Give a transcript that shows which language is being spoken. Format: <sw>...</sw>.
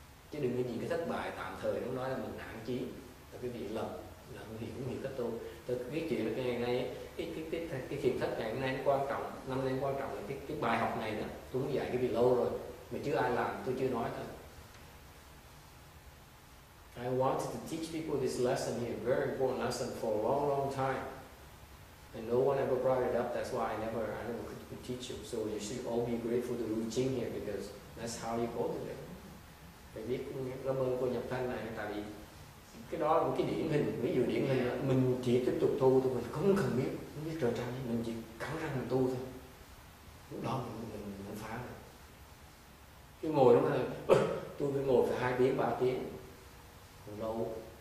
<vi>Chứ đừng có nhìn cái thất bại tạm thời nó nói là mình hạn chế. Cái việc lầm thì cũng nhiều cách tu. Tôi biết chuyện là cái ngày nay cái thiền thất ngày hôm nay nó quan trọng, năm nay nó quan trọng là cái bài học này đó. Tôi muốn dạy cái việc lâu rồi mà chưa ai làm, tôi chưa nói thôi.</vi> <en>I wanted to teach people this lesson here, very important lesson for a long long time, and no one ever brought it up. That's why I never could teach you. So you should all be grateful to Lu Jing here, because that's how you cultivate.</en> <vi>Phải biết cảm ơn cô Nhập Thanh này, tại vì cái đó là một cái điển hình, ví dụ điển hình là mình chỉ tiếp tục tu thôi, mình không cần biết, không biết trời trăng, mình chỉ cắn răng mình tu thôi. Lúc đó mình muốn phá rồi. Cứ ngồi đó mà tôi phải ngồi phải 2 tiếng, 3 tiếng, còn lâu.</vi>